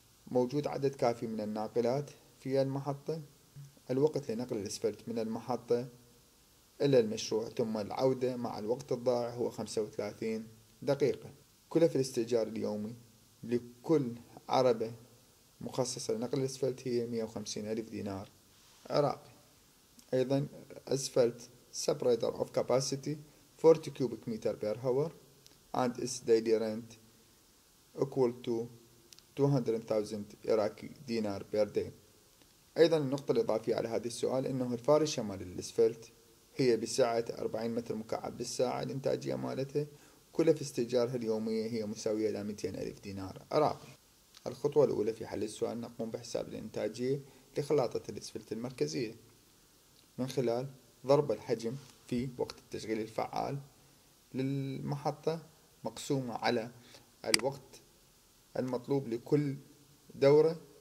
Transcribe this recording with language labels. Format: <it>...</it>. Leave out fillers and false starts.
<ar>موجود عدد كافي من الناقلات في المحطة، الوقت لنقل الإسفلت من المحطة إلى المشروع ثم العودة مع الوقت الضائع هو 35 دقيقة. كلفة الاستئجار اليومي لكل عربة مخصصة لنقل الإسفلت هي 150,000 دينار عراقي. أيضا</ar> <en>Asphalt separator of capacity 40 cubic meter per hour and its daily rent equal to 200,000 Iraqi دينار per day.</en> <ar>أيضا النقطة الإضافية على هذا السؤال أنه الفار الشمالي للإسفلت هي بسعة 40 متر مكعب بالساعة الإنتاجية مالته، كلف استئجارها اليومية هي مساوية إلى 200,000 دينار عراقي. الخطوة الأولى في حل السؤال نقوم بحساب الإنتاجية لخلاطة الإسفلت المركزية من خلال ضرب الحجم في وقت التشغيل الفعال للمحطة مقسومة على الوقت المطلوب لكل دورة</ar>